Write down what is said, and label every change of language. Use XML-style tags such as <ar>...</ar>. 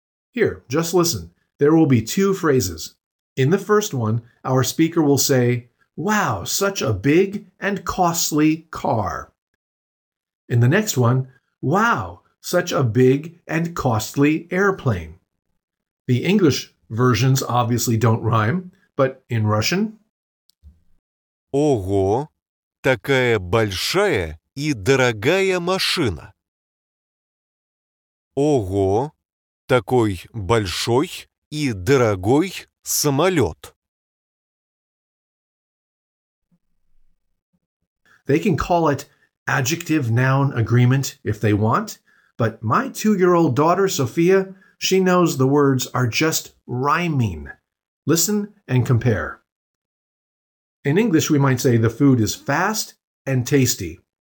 <en>Here, just listen. There will be two phrases. In the first one, our speaker will say, "Wow, such a big and costly car." In the next one, "Wow, such a big and costly airplane." The English versions obviously don't rhyme, but in Russian,</en> <ru>"Ого, такая большая и дорогая машина." "Ого, такой большой и дорогой самолет."</ru> <en>They can call it adjective noun agreement if they want, but my 2-year-old daughter Sophia, she knows the words are just rhyming. Listen and compare. In English, we might say the food is fast and tasty.</en>